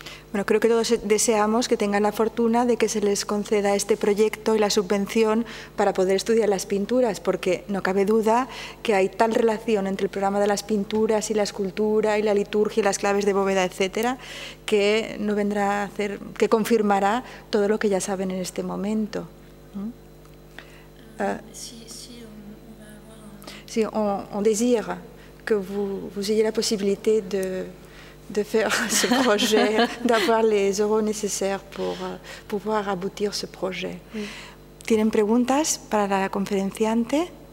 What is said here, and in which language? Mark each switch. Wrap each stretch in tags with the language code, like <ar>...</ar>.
<es>Bueno, creo que todos deseamos que tengan la fortuna de que se les conceda este proyecto y la subvención para poder estudiar las pinturas, porque no cabe duda que hay tal relación entre el programa de las pinturas y la escultura y la liturgia y las claves de bóveda, etcétera, que no vendrá a hacer, que confirmará todo lo que ya saben en este momento. Si</es> <fr>on désire que vous ayez la posibilité de faire ce projet, d'avoir les euros nécessaires pour pouvoir aboutir ce projet. Oui.</fr> <es>¿Tienen preguntas para la conferenciante?</es>